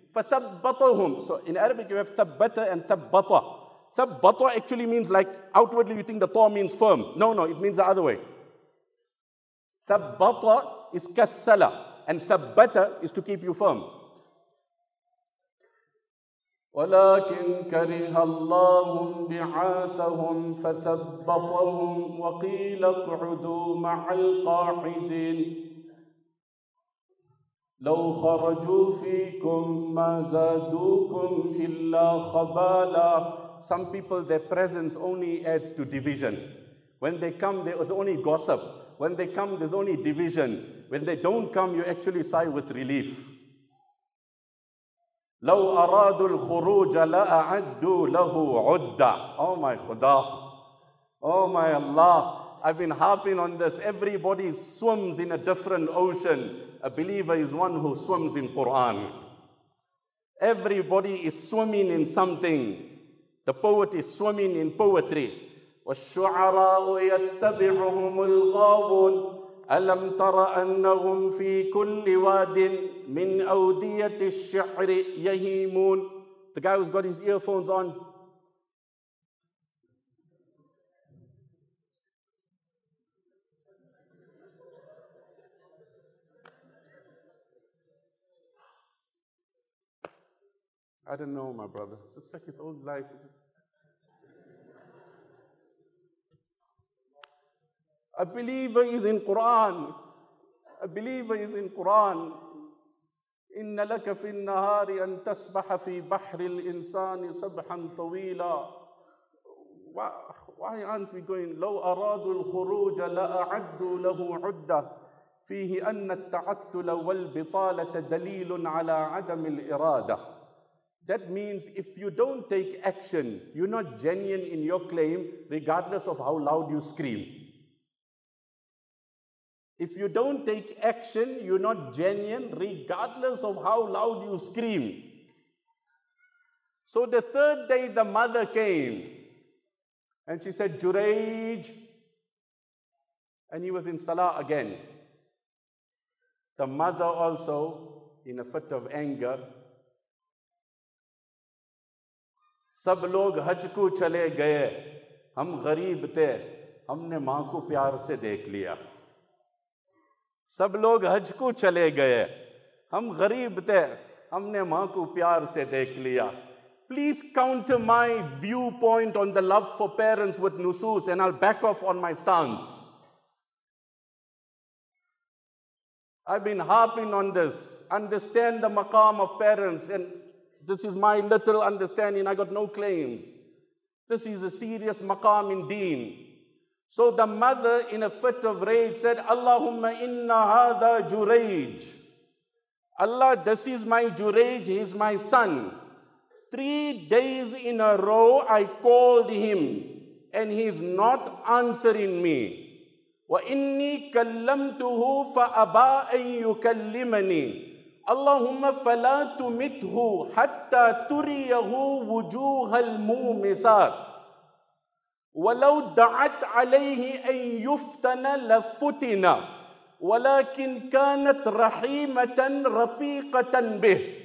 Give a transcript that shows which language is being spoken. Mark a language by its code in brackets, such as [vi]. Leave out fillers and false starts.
[ar] فثبطهم. [en] So in Arabic you have ثبت and ثبط. ثبط actually means like outwardly you think the ta means firm. No, it means the other way. ثبط is كسل and ثبت is to keep you firm. [ar] ولكن كره الله انبعاثهم فثبطهم وقيل اقعدوا مع القاعدين لو خرجوا فيكم ما زادوكم إلا خبالا. [en] Some people, their presence only adds to division. When they come, there is only gossip. When they come, there's only division. When they don't come, you actually sigh with relief. [ar] لو أرادوا الخروج لأعدوا له عدة. [en] Oh my God. Oh my Allah. I've been harping on this. Everybody swims in a different ocean. A believer is one who swims in Quran. Everybody is swimming in something. The poet is swimming in poetry. [ar] والشعراء يتبعهم الغاوون ألم تر أنهم في كل واد من أودية الشعر يهيمون. [en] The guy who's got his earphones on. I don't know, my brother. Suspect his old life. A believer is in Quran. A believer is in Quran. [ar] إن لك في النهار أن تسبح في بحر الإنسان سبحا طويلا. [en] Why aren't we going? [ar] لو أرادوا الخروج لأعدوا له عدة. فيه أن التعتل والبطالة دليل على عدم الإرادة. [en] That means if you don't take action, you're not genuine in your claim, regardless of how loud you scream. If you don't take action, you're not genuine, regardless of how loud you scream. So the third day, the mother came, and she said, Juraij, and he was in Salah again. The mother also, in a fit of anger, [ur] سب لوگ حج کو چلے گئے ہم غریب تھے ہم نے ماں کو پیار سے دیکھ لیا سب لوگ حج کو چلے گئے ہم غریب تھے ہم نے ماں کو پیار سے دیکھ لیا. [en] Please counter my viewpoint on the love for parents with nusus and I'll back off on my stance. I've been harping on this. Understand the maqam of parents and this is my little understanding. I got no claims. This is a serious maqam in deen. So the mother, in a fit of rage, said, [ar] Allahumma inna hadha Juraij. [en] Allah, this is my Juraij. He's my son. 3 days in a row, I called him, and he's not answering me. [ar] Wa inni kallamtuhu fa aba an yukallimani. اللهم فلا تمته حتى تريه وجوه المومسات ولو دعت عليه أن يفتن لفتن ولكن كانت رحيمة رفيقة به